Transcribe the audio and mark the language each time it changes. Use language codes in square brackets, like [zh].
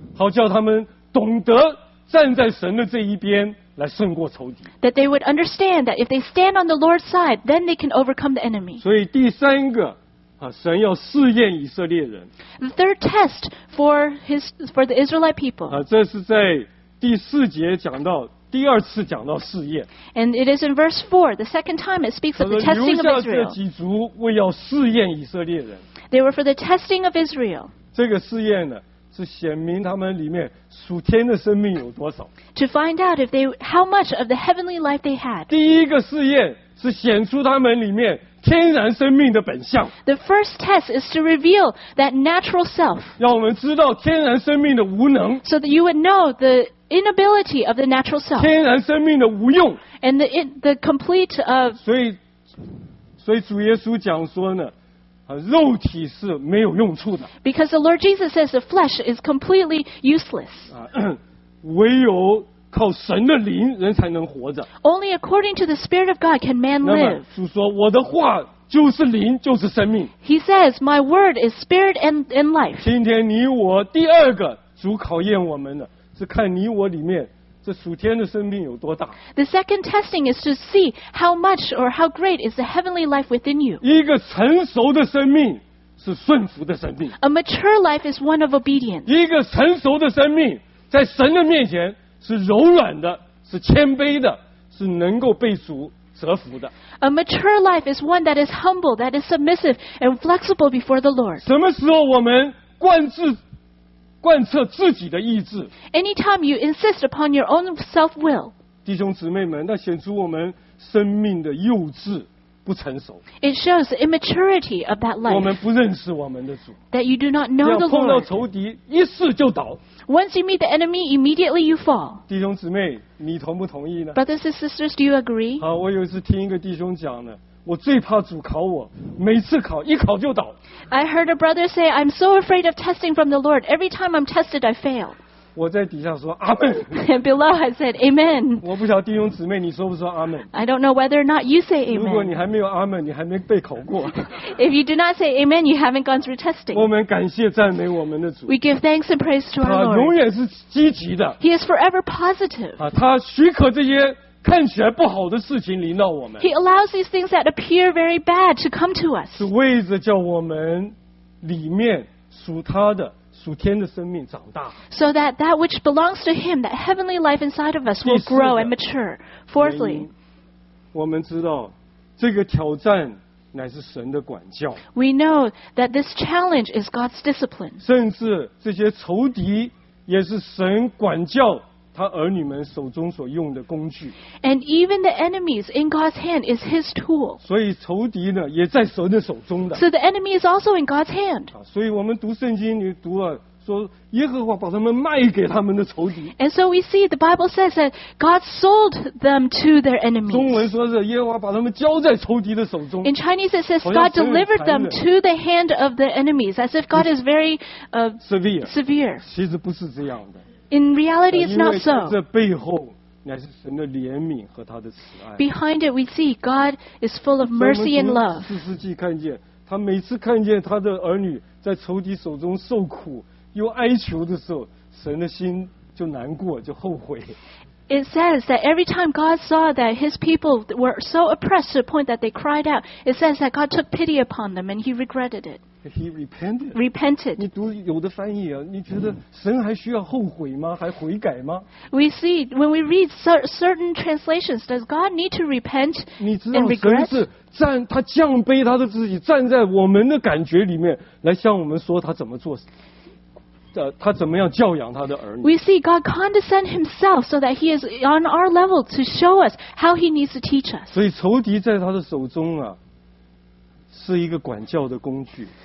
[zh] 好叫他们懂得站在神的这一边来胜过仇敌。 [en] That they would understand that if they stand on the Lord's side, then they can overcome the enemy. [zh] 所以第三个啊，神要试验以色列人。 [en] The third test for the Israelite people. [zh] 啊，这是在第四节讲到。第二次讲到试验。 [en] And it is in verse 4, the second time it speaks of the testing of Israel. [zh] 留下这几族为要试验以色列人。 [en] They were for the testing of Israel. [zh] 这个试验呢，是显明他们里面属天的生命有多少。 [en] To find out how much of the heavenly life they had. [zh] 第一个试验是显出他们里面天然生命的本相。 [en] The first test is to reveal that natural self. [zh] 让我们知道天然生命的无能。 [en] So that you would know the inability of the natural self. [zh] 天然生命的无用。 [en] And the complete of. [zh] 所以主耶稣讲说呢，肉体是没有用处的。 [en] Because the Lord Jesus says the flesh is completely useless. [zh] 唯有靠神的灵人才能活着。 [en] Only according to the Spirit of God can man live. [zh] 那么主说我的话就是灵就是生命。 [en] He says, my word is spirit and life. [zh] 今天你我第二个主考验我们的是看你我里面这属天的生命有多大。 [en] The second testing is to see how much or how great is the heavenly life within you. [zh] 一个成熟的生命是顺服的生命。 [en] A mature life is one of obedience. [zh] 一个成熟的生命在神的面前是柔软的，是谦卑的，是能够被主折服的。 [en] A mature life is one that is humble, that is submissive and flexible before the Lord. [zh] 什么时候我们贯彻自己的意志。 [en] Anytime you insist upon your own self-will. [zh] 弟兄姊妹们，那显出我们生命的幼稚不成熟。 [en] It shows the immaturity of that life. [zh] 我们不认识我们的主。 [en] That you do not know the Lord. [zh] 要碰到仇敌，一试就倒。 [en] Once you meet the enemy, immediately you fall. [zh] 弟兄姊妹，你同不同意呢？ [en] Brothers and sisters, do you agree? [zh] 好，我有一次听一个弟兄讲呢，我最怕主考我，每次考一考就倒。 [en] I heard a brother say, I'm so afraid of testing from the Lord. Every time I'm tested, I fail. [zh] 我在底下说阿们。 [en] And below I said, Amen. [zh] 我不晓得弟兄姊妹你说不说阿们。 [en] I don't know whether or not you say Amen. [zh] 如果你还没有阿们，你还没被考过。 [en] If you do not say Amen, you haven't gone through testing. [zh] 我们感谢赞美我们的主。 [en] We give thanks and praise to our Lord. [zh] 他永远是积极的。 [en] He is forever positive. [zh] 他许可这些看起来不好的事情临到我们。 [en] He allows these things that appear very bad to come to us. [zh] 是为着叫我们里面属他的属天的生命长大。 [en] So that which belongs to him, that heavenly life inside of us will grow and mature. Fourthly, [zh] 我们知道这个挑战乃是神的管教。 [en] We know that this challenge is God's discipline. [zh] 甚至这些仇敌也是神管教他儿女们手中所用的工具。 [en] And even the enemies in God's hand is His tool. [zh] 所以仇敌呢也在神的手中的。 [en] So the enemy is also in God's hand. [zh] 所以我们读圣经，你读了说耶和华把他们卖给他们的仇敌。 [en] And so we see the Bible says that God sold them to their enemies. [zh] 中文说是耶和华把他们交在仇敌的手中。 [en] In Chinese it says God delivered them to the hand of the enemies, as if God is very severe. [zh] 其实不是这样的。 [en] In reality, it's not so. [zh] 因为这背后乃是神的怜悯和他的慈爱。 [en] Behind it, we see God is full of mercy and love. [zh] 四世纪看见，他每次看见他的儿女在仇敌手中受苦，又哀求的时候，神的心就难过，就后悔。 [en] It says that every time God saw that his people were so oppressed to the point that they cried out, it says that God took pity upon them and he regretted it. He repented. Repented. [zh] 你读有的翻译啊，你觉得神还需要后悔吗？还悔改吗？ [en] We see, when we read certain translations, does God need to repent and regret? [zh] 你知道神是站，他降卑他的自己，站在我们的感觉里面，来向我们说他怎么做。他怎么样教养他的儿女？ [en] We see God condescend himself so that he is on our level to show us how he needs to teach us. [zh] 所以仇敌在他的手中啊，是一个管教的工具。